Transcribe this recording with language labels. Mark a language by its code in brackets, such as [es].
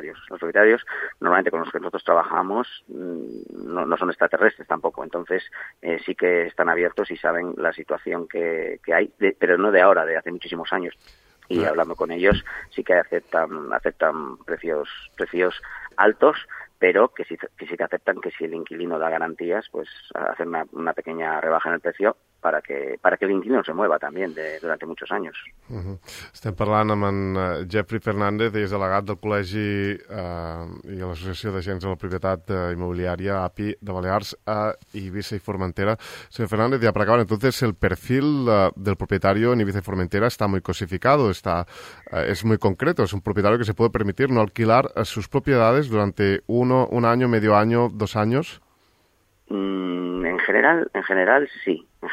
[es] Los propietarios normalmente con los que nosotros trabajamos no son extraterrestres tampoco, entonces sí que están abiertos y saben la situación que hay, pero no de ahora, de hace muchísimos años. Y hablando con ellos, sí que aceptan precios altos, pero que aceptan que si el inquilino da garantías, pues hacer una pequeña rebaja en el precio para que el inquilino se mueva también durante muchos años. [ca] Estem parlant amb en Jeffrey Fernández, és delegat del Col·legi i l'Associació d'Agents de la Propietat Immobiliària, API, de Balears, a Ibiza i Formentera. Senyor Fernández, ja per acabar, [es] entonces, el perfil del propietario en Ibiza i Formentera està muy cosificado, és muy concreto, és un propietario que se puede permitir no alquilar sus propiedades durante un año, medio año, dos años. En general sí.